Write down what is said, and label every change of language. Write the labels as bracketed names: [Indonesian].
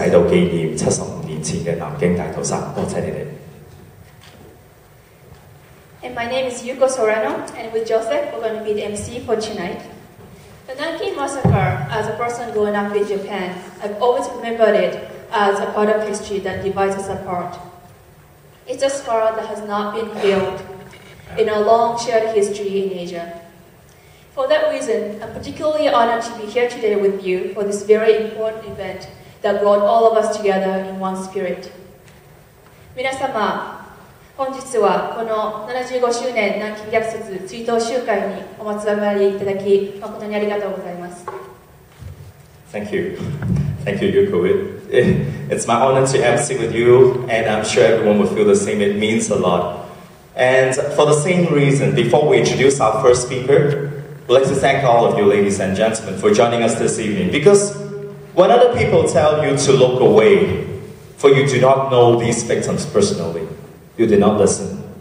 [Cantonese] 各位現場朋友你好,在這裡更代表市委會,多謝現場,各位朋友,同我們一樣都沒有忘記到這一件75年前發生的事,我們一起都紀念75年前的南京大屠殺,多謝你們。 [English] And my name is Yuko Sorano, and with Joseph, we're going to be the MC for tonight. The Nanking Massacre, as a person growing up in Japan, I've always remembered it as a part of history that divides us apart. It's a scar that has not been healed in our long shared history in Asia. For that reason, I'm particularly honored to be here today with you for this very important event that brought all of us together in one spirit. [Japanese] 皆様, 本日はこの75周年南京虐殺追悼集会にお集まりいただき誠にありがとうございます。 [English] Thank you. Thank you, Yuko. It's my honor to MC with you, and I'm sure everyone will feel the same. It means a lot. And for the same reason, before we introduce our first speaker, we'd like to thank all of you, ladies and gentlemen, for joining us this evening. Because when other people tell you to look away, for you do not know these victims personally, you did not listen.